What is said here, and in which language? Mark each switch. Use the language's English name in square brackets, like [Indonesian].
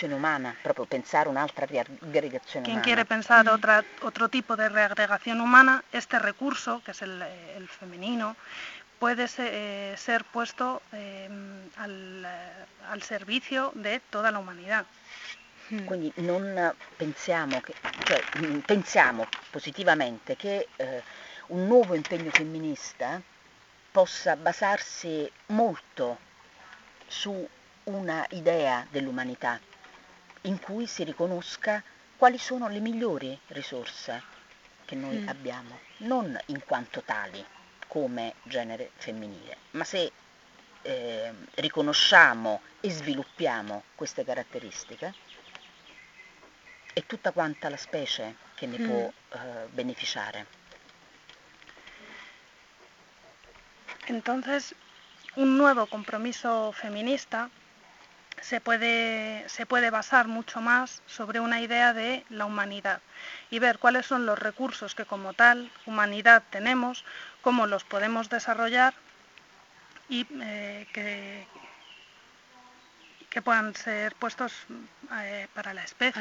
[Italian] L'organizzazione umana, proprio pensare un'altra riaggregazione umana. [Spanish] Quien quiere pensar otro tipo de reagregación humana, este recurso, que es el femenino, puede ser puesto al servicio de toda la humanidad. [Italian] Quindi non pensiamo che, cioè pensiamo positivamente che un nuovo impegno femminista possa basarsi molto su una idea dell'umanità in cui si riconosca quali sono le migliori risorse che noi abbiamo, non in quanto tali come genere femminile, ma se riconosciamo e sviluppiamo queste caratteristiche, è tutta quanta la specie che ne può beneficiare. [Spanish] Entonces, un nuevo compromiso feminista se puede basar mucho más sobre una idea de la humanidad y ver cuáles son los recursos que como tal humanidad tenemos, cómo los podemos desarrollar y que puedan ser puestos para la especie.